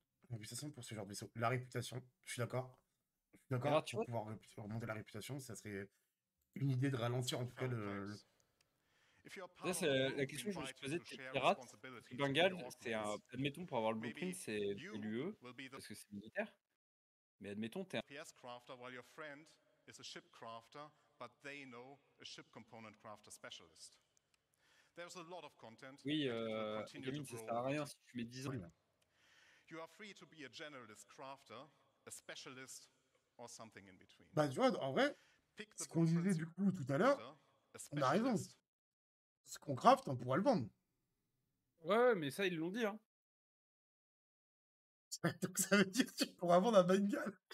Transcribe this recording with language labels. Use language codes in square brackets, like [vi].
[fr] Réputation pour ce genre de vaisseau. La réputation, je suis d'accord. Je suis d'accord. Alors, pour pouvoir remonter la réputation, ça serait une idée de ralentir en tout cas le... Ça, c'est la question que je me suis posée, c'est pirate. Bengal, c'est un. Admettons, pour avoir le blueprint, c'est l'UE, parce que c'est militaire. Mais admettons, t'es un. [en] PS crafter, while your friend is a ship crafter, but they know a ship component crafter specialist. There's a lot of content. [fr] Oui, Gamine, ça sert à rien si tu mets 10 ans. [en] You are free to be a generalist crafter, a specialist, or something in between. [fr] Bah, tu vois, en vrai, ce qu'on disait du coup tout à l'heure, on a raison. Ce qu'on craft, on pourra le vendre. Ouais, mais ça, ils l'ont dit. Hein. Donc, ça veut dire que tu pourras vendre un Bengal.